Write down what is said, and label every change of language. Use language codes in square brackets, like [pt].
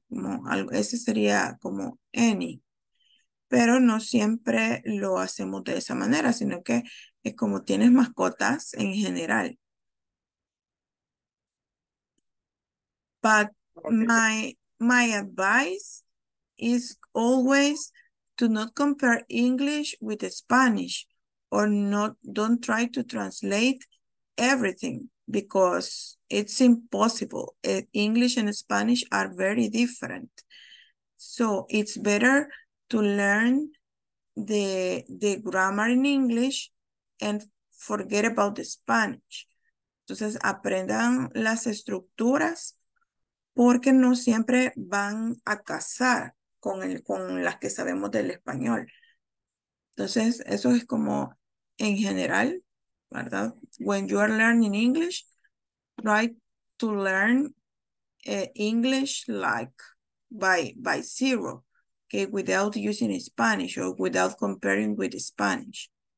[es] Como algo, ese sería como any. Pero no siempre lo hacemos de esa manera, sino que es como tienes mascotas en general. [en] But [es] Okay, pero [en] my advice is always to not compare English with Spanish or not, don't try to translate everything because it's impossible. English and Spanish are very different. So it's better to learn the grammar in English and forget about the Spanish. [es] Entonces, aprendan las estructuras porque no siempre van a casar con las que sabemos del español. Entonces, eso es como en general, ¿verdad? [en] When you are learning English, try to learn English like by zero. Okay, without using Spanish or without comparing with Spanish.